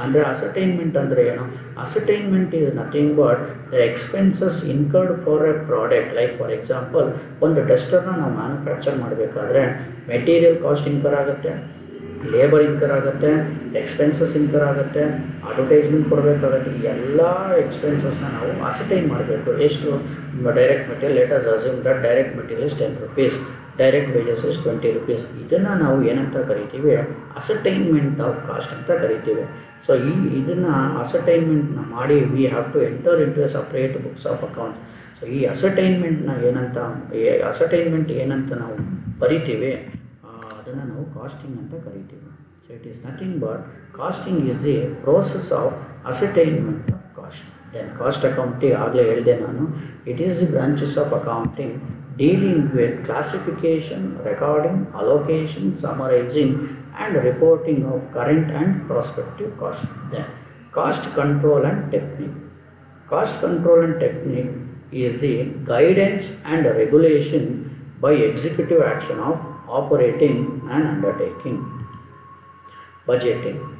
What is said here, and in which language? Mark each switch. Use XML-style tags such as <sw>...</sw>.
<en>Under ascertainment</en> <kn>andre eno?</kn> <en>Ascertainment is nothing but the expenses incurred for a product. Like for example,</en> <kn>ondu duster na nav manufacture madbekadre material cost incur agutte, labour incur ಆಗುತ್ತೆ, expenses incur ಆಗುತ್ತೆ, advertisement ಕೊಡಬೇಕಾಗುತ್ತೆ, ಎಲ್ಲ ಎಕ್ಸ್ಪೆನ್ಸಸ್ನ ನಾವು ascertain ಮಾಡಬೇಕು.</kn> <en>ಎಷ್ಟು direct material, let us assume that direct material is 10 rupees, direct wages is 20 rupees.</en> <kn>ಇದನ್ನು ನಾವು ಏನಂತ ಕರಿತೀವಿ? ಅಸರ್ಟೈನ್ಮೆಂಟ್ ಆಫ್ ಕಾಸ್ಟ್ ಅಂತ ಕರಿತೀವಿ.</kn> <en>so</en> <kn>ಈ ಇದನ್ನು ಅಸರ್ಟೈನ್ಮೆಂಟ್ನ ಮಾಡಿ</kn> <en>We have to enter into a separate books of accounts.</en> <kn>So ಈ ಅಸರ್ಟೈನ್ಮೆಂಟ್ನ ಏನಂತ ಅಸರ್ಟೈನ್ಮೆಂಟ್ ಏನಂತ ನಾವು ಬರಿತೀವಿ, ಅದನ್ನು ನಾವು ಕಾಸ್ಟಿಂಗ್ ಅಂತ ಕರಿತೀವಿ.</kn> <en>So it is nothing but costing is the process of ascertainment of cost. Then cost accounting,</en> <kn>ಆಗಲೇ ಹೇಳಿದೆ ನಾನು,</kn> <en>It is the branches of accounting dealing with classification, recording, allocation, summarising and reporting of current and prospective cost. Then cost control and technique. Cost control and technique is the guidance and regulation by executive action of operating and undertaking. Budgeting.</en>